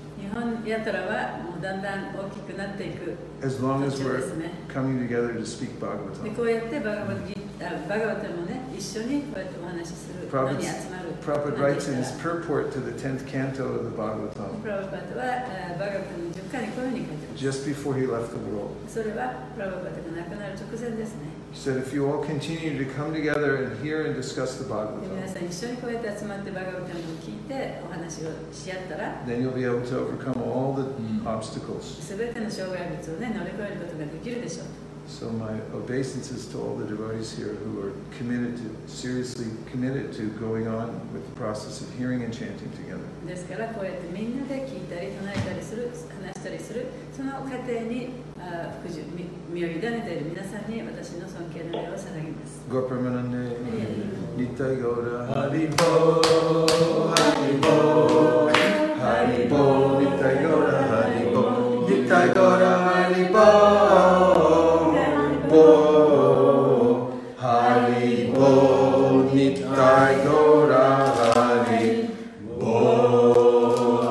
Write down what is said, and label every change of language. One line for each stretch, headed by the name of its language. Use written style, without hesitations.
Japanese: 日本ヤトラはもうだんだん大きくなっていく。
English: As long as we're coming together to speak Bhagavatam.
Japanese: でこうやってバガバタもね一緒にこうやってお話しするのに集まる。
English: Prabhupada writes in his purport to the 10th canto of the Bhagavatam.
Japanese: Prabhupada はバガバタの10巻にこういうふうに書いてます。
English: Just before he left the world.
Japanese: それはプラヴァパタが亡くなる直前ですね。
English: He said, if you all continue to come together and hear and discuss the Bhagavatam, then you'll be able to overcome all the obstacles. So my obeisances to all the devotees here who are seriously committed to going on with the process of hearing and chanting together.
Japanese: ですからこうやってみんなで聞いたり唱えたりする話したりするその過程に福寿身を委ねている皆さんに私の尊敬の礼を捧げます。ゴパマナネ、ニタイゴラ、ハリボー、ハリボー、ハリボー、ニタイゴラ、ハリボー、ニタイゴラ、ハリボー、ボー、ハリボー、ニタイゴラ、ハリボ